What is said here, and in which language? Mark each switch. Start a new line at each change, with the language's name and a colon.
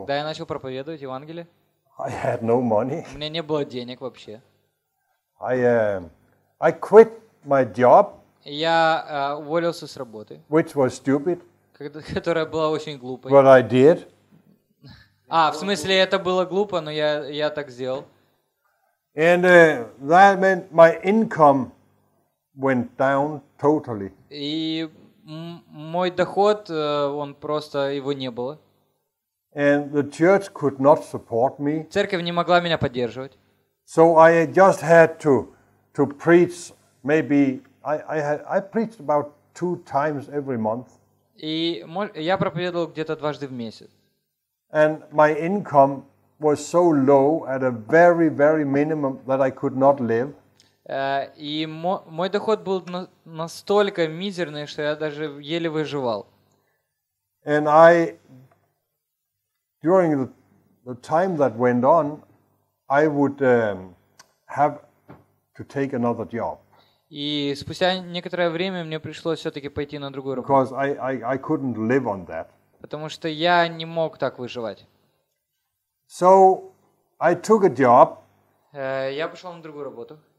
Russian: когда я начал проповедовать Евангелие,
English: I had no money.
Russian: У меня не было денег вообще.
English: I quit my job.
Russian: Я уволился с работы.
English: Which was stupid.
Russian: Которая была очень глупой.
English: But I did.
Russian: А, в смысле, это было глупо, но я так сделал.
English: And that meant my income went down totally.
Russian: И мой доход, он просто, его не было.
English: And the church could not support me.
Russian: Церковь не могла меня поддерживать.
English: So I just had to preach maybe I preached about two times every month.
Russian: И я проповедовал где-то дважды в месяц.
English: And my income was so low at a very very minimum that I could not live.
Russian: И мой доход был настолько мизерный, что я даже еле выживал.
English: And I during the time that went on, I would have to take another job.
Russian: И спустя некоторое время мне пришлось все-таки пойти на другую работу.
English: Because I couldn't live on that.
Russian: Потому что я не мог так выживать.
English: So I took a job.
Russian: Я пошел на другую работу.